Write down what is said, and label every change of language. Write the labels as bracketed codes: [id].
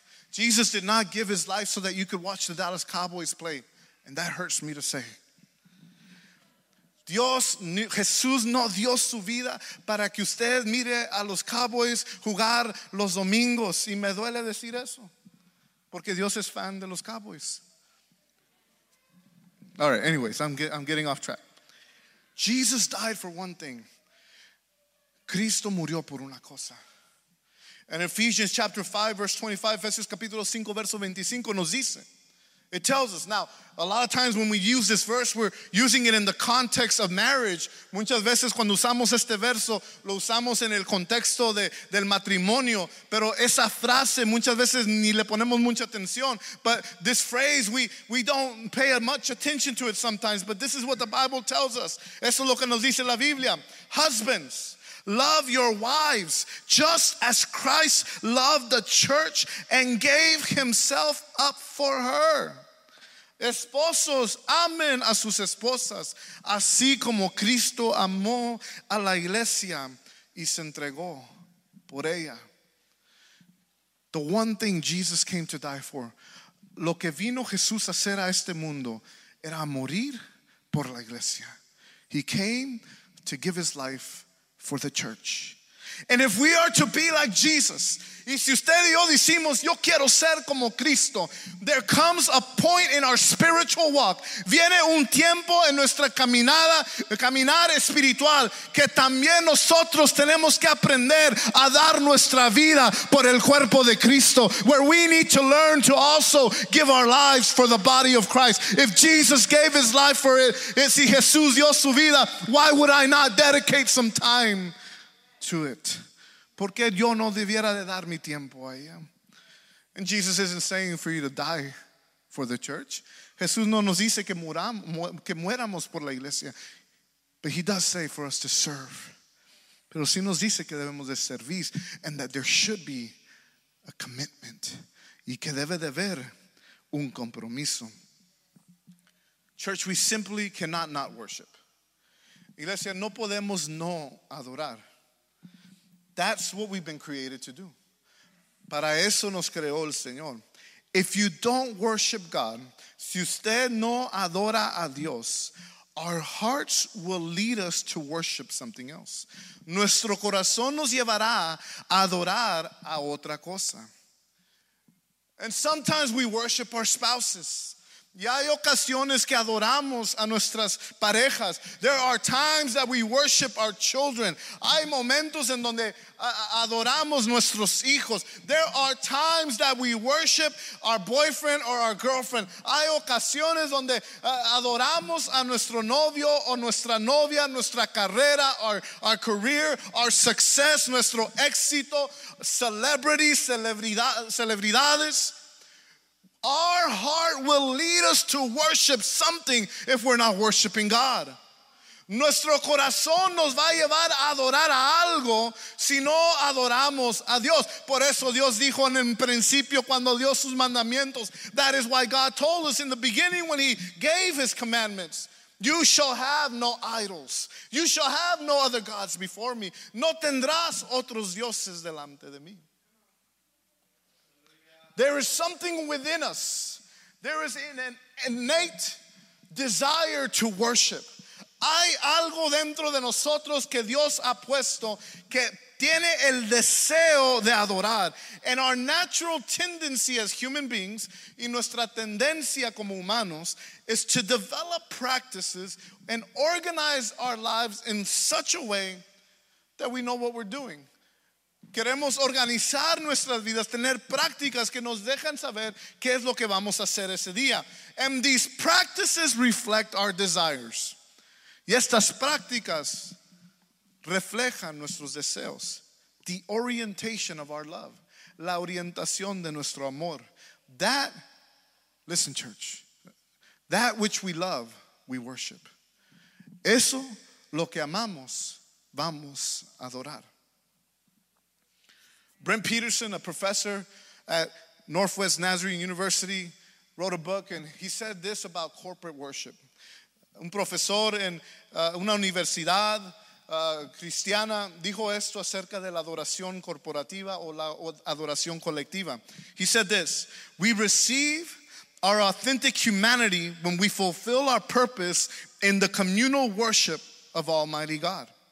[en] Jesus did not give his life so that you could watch the Dallas Cowboys play. And that hurts me to say. [es] Jesús no dio su vida para que usted mire a los Cowboys jugar los domingos. Y me duele decir eso, porque Dios es fan de los Cowboys. [en] All right, anyways, I'm getting off track. Jesus died for one thing. [es] Cristo murió por una cosa. [en] And Ephesians chapter 5, verse 25, Ephesians [es] capítulo 5, verso 25, nos dice. [en] It tells us. Now, a lot of times when we use this verse, we're using it in the context of marriage. [es] Muchas veces cuando usamos este verso, lo usamos en el contexto del matrimonio. Pero esa frase, muchas veces ni le ponemos mucha atención. [en] But this phrase, we don't pay much attention to it sometimes. But this is what the Bible tells us. [es] Eso es lo que nos dice la Biblia. [en] Husbands, love your wives just as Christ loved the church and gave himself up for her. [es] Esposos, amen a sus esposas, así como Cristo amó a la iglesia y se entregó por ella. [en] The one thing Jesus came to die for, [es] lo que vino Jesús a hacer a este mundo, era morir por la iglesia. [en] He came to give his life for the church. And if we are to be like Jesus, [es] y si usted y yo decimos yo quiero ser como Cristo, [en] there comes a point in our spiritual walk. [es] Viene un tiempo en nuestra caminar espiritual que también nosotros tenemos que aprender a dar nuestra vida por el cuerpo de Cristo. [en] Where we need to learn to also give our lives for the body of Christ. If Jesus gave his life for it, [es] si Jesús dio su vida, [en] why would I not dedicate some time to it? [es] ¿Por qué yo no debiera de dar mi tiempo a ella? [en] And Jesus isn't saying for you to die for the church. [es] Jesús no nos dice que muéramos por la iglesia. [en] But he does say for us to serve. [es] Pero sí nos dice que debemos de servir. [en] And that there should be a commitment. [es] Y que debe de haber un compromiso. [en] Church, we simply cannot not worship. [es] Iglesia, no podemos no adorar. [en] That's what we've been created to do. [es] Para eso nos creó el Señor. [en] If you don't worship God, [es] si usted no adora a Dios, [en] our hearts will lead us to worship something else. [es] Nuestro corazón nos llevará a adorar a otra cosa. [en] And sometimes we worship our spouses. [es] Ya hay ocasiones que adoramos a nuestras parejas. [en] There are times that we worship our children. [es] Hay momentos en donde adoramos nuestros hijos. [en] There are times that we worship our boyfriend or our girlfriend. [es] Hay ocasiones donde adoramos a nuestro novio o nuestra novia, nuestra carrera, [en] our career, our success, [es] nuestro éxito, celebridades. [en] Our heart will lead us to worship something if we're not worshiping God. [es] Nuestro corazón nos va a llevar a adorar a algo si no adoramos a Dios. Por eso Dios dijo en el principio cuando dio sus mandamientos. [en] That is why God told us in the beginning when he gave his commandments. You shall have no idols. You shall have no other gods before me. [es] No tendrás otros dioses delante de mí. [en] There is something within us. There is an innate desire to worship. [es] Hay algo dentro de nosotros que Dios ha puesto que tiene el deseo de adorar. [en] And our natural tendency as human beings, [es] y nuestra tendencia como humanos, [en] is to develop practices and organize our lives in such a way that we know what we're doing. [es] Queremos organizar nuestras vidas, tener prácticas que nos dejan saber qué es lo que vamos a hacer ese día. [en] And these practices reflect our desires. [es] Y estas prácticas reflejan nuestros deseos. [en] The orientation of our love. [es] La orientación de nuestro amor. [en] That Listen, church. That which we love, we worship. [es] Eso, lo que amamos, vamos a adorar. [en] Brent Peterson, a professor at Northwest Nazarene University, wrote a book, and he said this about corporate worship. [es] Un profesor en una universidad cristiana dijo esto acerca de la adoración corporativa o la adoración colectiva. [en] He said this: we receive our authentic humanity when we fulfill our purpose in the communal worship of Almighty God.